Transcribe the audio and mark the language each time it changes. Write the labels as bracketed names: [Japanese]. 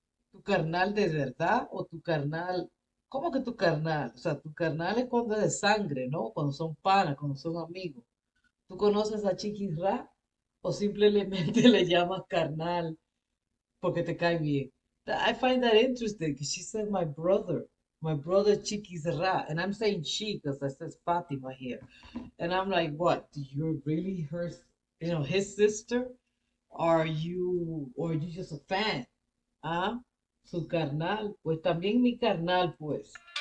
[Spanish] Tu carnal de verdad o tu carnal, ¿cómo que tu carnal? O sea, tu carnal es cuando es de sangre, ¿no? Cuando son panas, cuando son amigos. ¿Tú conoces a Chiquis Ra o simplemente le llamas carnal porque te cae bien? [English] I find that interesting because she said my brother Chiquis Ra, and I'm saying she because I says Fatima here, and I'm like, what? You're really her, you know, his sister? Are you, or are you just a fan? [Spanish] Ah, su carnal, pues también mi carnal, pues.